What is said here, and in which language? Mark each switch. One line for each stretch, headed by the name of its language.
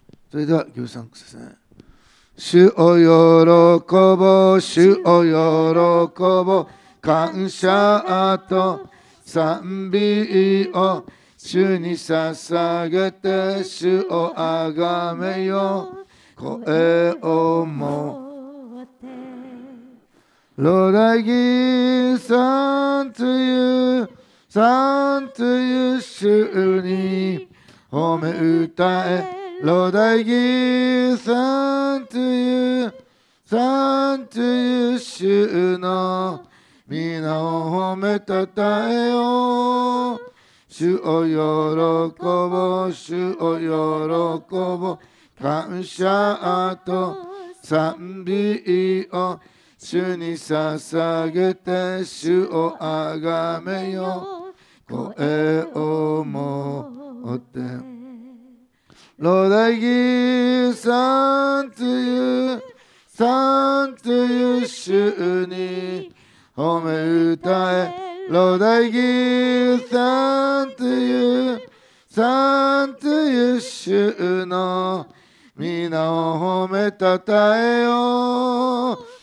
Japanese: それではギブサンクスですね。主を喜ぼう、主を喜ぼう、感謝と賛美を主に捧げて、主をあがめよ、声をもって。
English: Lord, I give song to you, song to you,
Japanese: 主に褒め歌え。
English: Lord, I give song to you, song to you,
Japanese: 主の皆を褒めたたえよ。主を喜ぼう、主を喜ぼう、感謝と賛美を主に捧げて、主をあがめよ、声を持って。
English: Lord, I give song to you, song to you,
Japanese: 主に褒め歌え。
English: Lord, I give song to you, song to you,
Japanese: 主の皆を褒めたたえよ。